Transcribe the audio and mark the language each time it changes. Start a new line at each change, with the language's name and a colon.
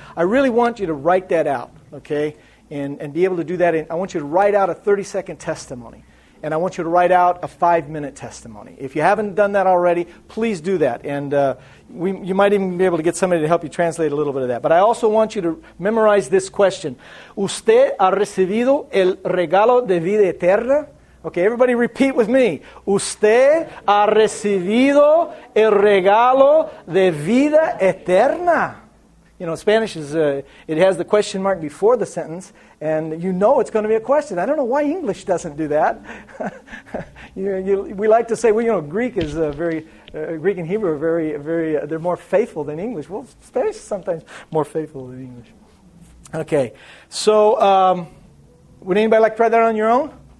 English: I really want you to write that out, okay, and be able to do that. I want you to write out a 30-second testimony, and I want you to write out a 5-minute testimony. If you haven't done that already, please do that, and you might even be able to get somebody to help you translate a little bit of that. But I also want you to memorize this question.
Spanish: ¿Usted ha recibido el regalo de vida eterna?
English: Okay, everybody repeat with me.
Spanish: Usted ha recibido el regalo de vida eterna.
English: You know, Spanish is, it has the question mark before the sentence, and you know it's going to be a question. I don't know why English doesn't do that. we like to say, well, you know, Greek is Greek and Hebrew are very, very, they're more faithful than English. Well, Spanish is sometimes more faithful than English. Okay, so would anybody like to try that on your own?